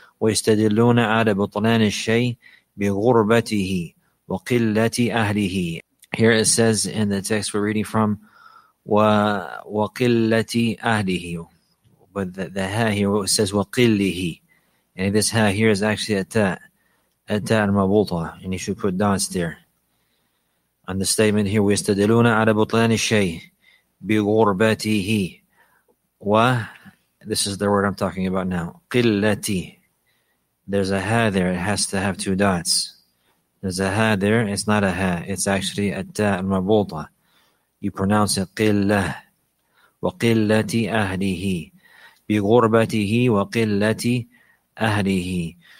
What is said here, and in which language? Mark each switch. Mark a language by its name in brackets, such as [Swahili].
[Arabic] وَيَسْتَدِلُّونَ عَلَى بُطْلَانِ الشَّيْءِ بِغُرْبَتِهِ وَقِلَّةِ أَهْلِهِ. [English] Here it says in the text we're reading from, [Arabic] وَقِلَّةِ أَهْلِهِ. [English] But the ha here, it says وَقِلِّهِ. And this ha here is actually a ta. And you should put dots there. On the statement here, [Arabic] وَيَسْتَدِلُونَ عَلَى بُطْلَانِ الشَّيْءِ بِغُرْبَتِهِ. [English] Wa, this is the word I'm talking about now. قِلَّتِ. There's a ha there. It has to have two dots. There's a ha there. It's not a ha. It's actually a ta al-mabulta. You pronounce it قِلَّة. [Arabic] وَقِلَّتِ أَهْلِهِ. بِغُرْبَتِهِ وَقِلَّتِ أَهْلِهِ.